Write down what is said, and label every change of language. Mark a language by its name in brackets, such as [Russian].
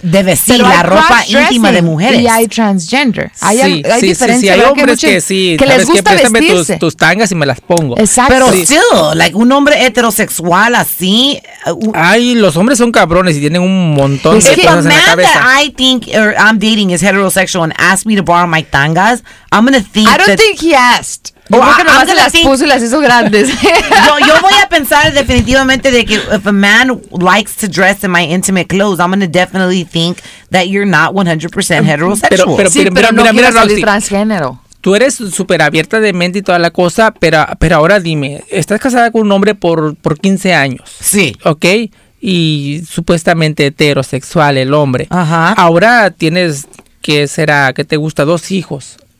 [Spanish] De vestir la ropa íntima de mujeres. Y hay transgender. Hay diferencias. Sí, hay hombres que sí. Que les gusta vestirse. Tus tangas y me las pongo. Exacto. Pero still, like, un hombre heterosexual así. Ay, los hombres son cabrones y tienen un montón de cosas en la cabeza. [English] If a man that I think or I'm dating is heterosexual and asks me to borrow my tangas, I'm going to think that... I don't think he asked. [Spanish] Yo creo que nomás se las puso y las hizo grandes. Yo voy a pensar definitivamente de que [English] if a man likes to dress in my intimate clothes, I'm going to definitely think that you're not 100% heterosexual. [Spanish] Pero mira, no quiero salir transgénero. Tú eres súper abierta de mente y toda la cosa, pero ahora dime, ¿estás casada con un hombre por 15 años? Sí. ¿Ok? Y supuestamente heterosexual el hombre. Ajá. Ahora tienes, ¿qué será? ¿Qué te gusta? Dos hijos.